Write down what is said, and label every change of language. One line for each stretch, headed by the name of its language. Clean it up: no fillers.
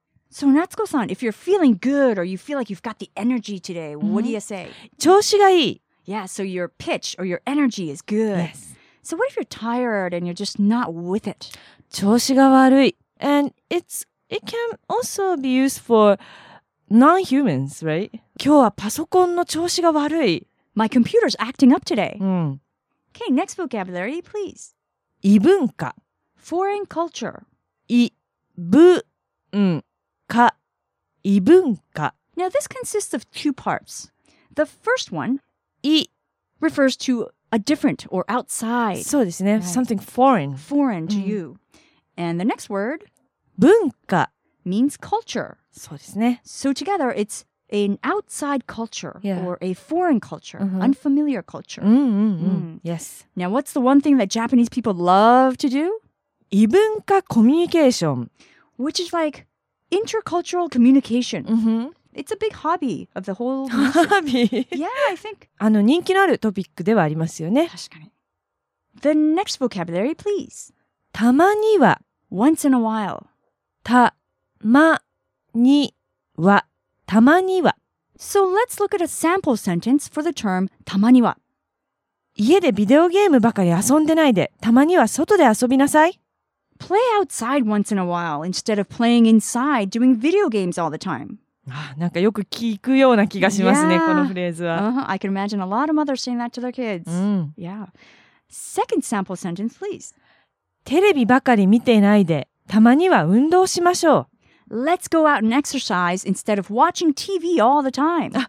English: So Natsuko-san, if you're feeling good or you feel like you've got the energy today, what do you say?
Japanese: 調子がいい。
English: Yeah, so your pitch or your energy is good. Yes. So what if you're tired and you're just not with it?
Japanese: 調子が悪い。
English: And it can also be used for non-humans, right?
Japanese: 今日はパソコンの調子が悪い。
English: My computer's acting up today. Okay, next vocabulary, please.
Japanese: 異文化。
English: Foreign culture.
Japanese: 異文化。異文化。
English: Now, this consists of two parts. The first one,
Japanese: 異
English: refers to a different or outside.
Japanese: そうですね。
English: Something foreign. Foreign to you. And the next word,
Japanese: 文化
English: means culture.
Japanese: そうですね。
English: So together, it'sAn outside culture, or a foreign culture, unfamiliar culture. Yes. Now, what's the one thing that Japanese people love to do?
Japanese: 異文化コミュニケーション。
English: Which is like intercultural communication. It's a big hobby of the whole hobby. Yeah, I think.
Japanese: 人気のあるトピックではありますよね。確かに。
English: The next vocabulary, please.
Japanese: たまには。
English: Once in a while.
Japanese: たまには。たまには。
English: So let's look at a sample sentence for the term たまには。
Japanese: 家でビデオゲームばかり遊んでないで、たまには外で遊びなさい。
English: Play outside once in a while instead of playing inside doing video games all the time.
Japanese: なんかよく聞くような気がしますね、このフレーズは。
English: I can imagine a lot of mothers saying that to their kids. Yeah. Second sample sentence, please.
Japanese: テレビばかり見てないで、たまには運動しましょう。
English: Let's go out and exercise instead of watching TV all the time.